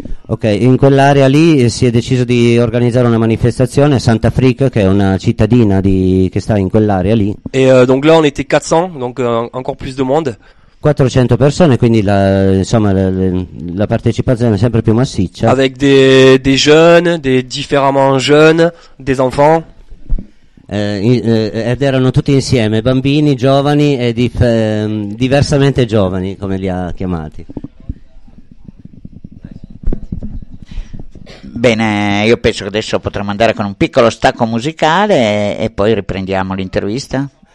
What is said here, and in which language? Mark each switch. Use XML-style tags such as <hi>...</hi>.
<it>Ok, in quell'area lì si è deciso di organizzare una manifestazione a Sainte-Afrique, che è una cittadina che sta in quell'area lì.</it> <fr>Et donc là, on était 400, donc encore plus de monde.</fr> <it>400 persone, quindi la partecipazione è sempre più massiccia.</it> <fr>Avec des jeunes, des différemment jeunes, des enfants.</fr> <it>Ed erano tutti insieme, bambini, giovani e diversamente giovani, come li ha chiamati. Bene, io penso che adesso potremmo andare con un piccolo stacco musicale e poi riprendiamo l'intervista.</it>